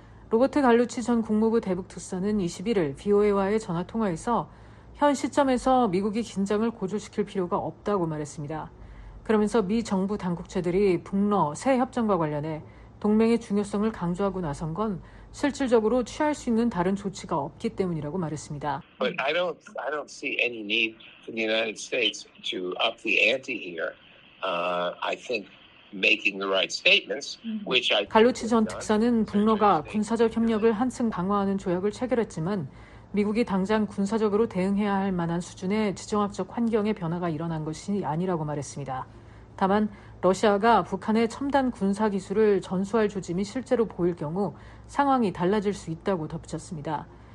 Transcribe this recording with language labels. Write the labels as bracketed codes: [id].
[ko] 로버트 갈루치 전 국무부 대북특사는 21일 VOA와의 전화통화에서 현 시점에서 미국이 긴장을 고조시킬 필요가 없다고 말했습니다. 그러면서 미 정부 당국자들이 북러 새 협정과 관련해 동맹의 중요성을 강조하고 나선 건 실질적으로 취할 수 있는 다른 조치가 없기 때문이라고 말했습니다. [en] But I don't see any need for the United States to up the ante here. I think making the right statements, which I [ko] 갈루치 전 특사는 북러가 군사적 협력을 한층 강화하는 조약을 체결했지만 미국이 당장 군사적으로 대응해야 할 만한 수준의 지정학적 환경의 변화가 일어난 것이 아니라고 말했습니다. 다만 러시아가 북한의 첨단 군사 기술을 전수할 조짐이 실제로 보일 경우 상황이 달라질 수 있다고 덧붙였습니다.